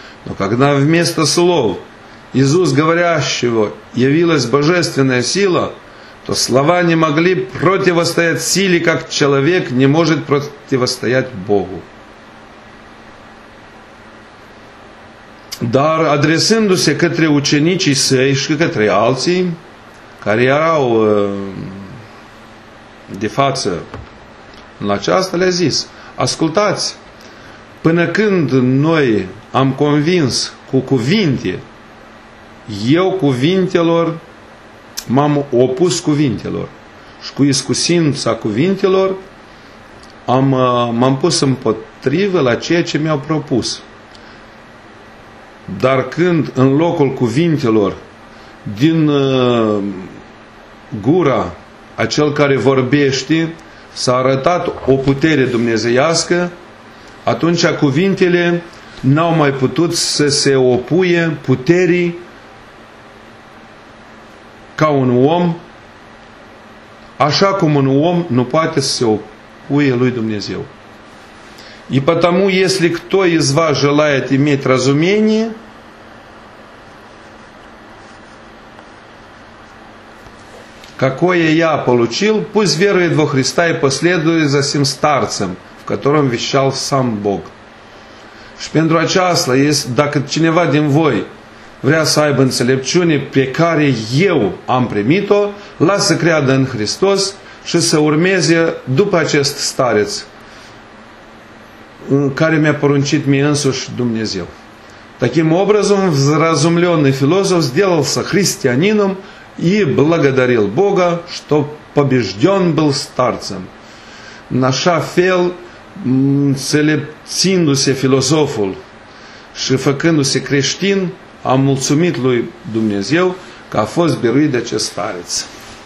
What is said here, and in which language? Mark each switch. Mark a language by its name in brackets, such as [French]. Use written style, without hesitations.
[Russian] Но когда вместо слов из уст говорящего явилась божественная сила, то слова не могли противостоять силе, как человек не может противостоять Богу. [Romanian] Dar adresându-se către ucenicii săi și către alții, care erau de față în aceasta, le-a zis: ascultați, până când noi am convins cu cuvinte, eu cuvintelor m-am opus cuvintelor și cu iscusința cuvintelor m-am pus împotrivă la ceea ce mi-au propus. Dar când în locul cuvintelor din gura acel care vorbește s-a arătat o putere dumnezeiască, atunci cuvintele n-au mai putut să se opuie puterii ca un om, așa cum un om nu poate să se opuie lui Dumnezeu. [Russian] И потому, если кто из вас желает иметь разумение, какое я получил, пусть верует во Христа и последует за сим старцем, в котором вещал сам Бог. [Romanian] Și pentru aceasta, dacă cineva din voi vrea să aibă înțelepciune pe care eu am primit-o, lasă să creadă în Hristos și să urmeze după acest stareț care mi-a poruncit mie însuși Dumnezeu. [Russian] Таким образом, вразумленный философ сделался христианином и благодарил Бога, что побежден был старцем. [Romanian] Așa fel, înțelepțindu-se filozoful și făcându-se creștin, a mulțumit lui Dumnezeu că a fost biruit de acest stareț.